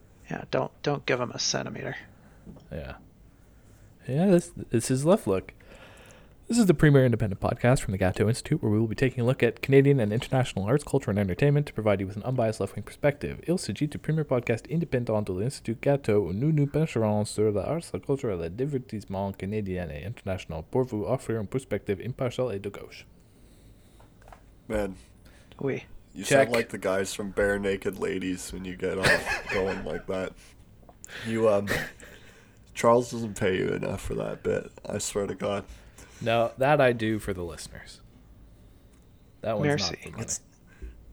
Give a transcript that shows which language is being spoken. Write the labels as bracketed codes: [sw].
[en] Yeah, don't give them a centimeter. Yeah. Yeah, this is Left Look. This is the premier independent podcast from the Gatto Institute, where we will be taking a look at Canadian and international arts, culture, and entertainment to provide you with an unbiased left-wing perspective. [fr] Il s'agit du premier podcast indépendant de l'Institut Gatto, où nous nous pencherons sur la arts, la culture et le divertissement canadien et international pour vous offrir une perspective impartiale et de gauche. [en] Man. [fr] Oui. [en] You Check. Sound like the guys from Bare Naked Ladies when you get on going like that. You, Charles doesn't pay you enough for that bit, I swear to God. No, that I do for the listeners. That one's Merci. Not for money.